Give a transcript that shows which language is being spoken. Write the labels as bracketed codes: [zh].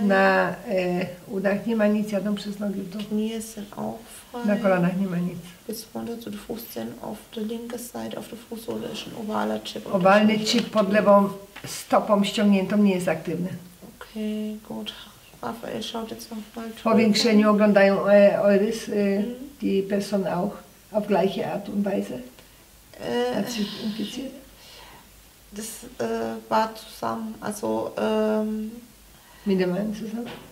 [pl] Na udach nie ma nic, jadą przez nogi w dół. [de] Knie sind auch frei. [pl] Na kolanach nie ma nic. [de] Bis runter zu den Fußzehen auf der linken Seite, auf der Fußsohle ist ein ovaler Chip. [pl] Ovalny Chip pod lewą stopą ściągniętą nie jest aktywny. [de] Okay, gut. Rafael schaut jetzt noch mal drüber. [pl] Po większeniu oglądają [de] Euris, die Person auch, auf gleiche Art und Weise. Hat sich infiziert? Das war zusammen, also mit dem Mann zusammen?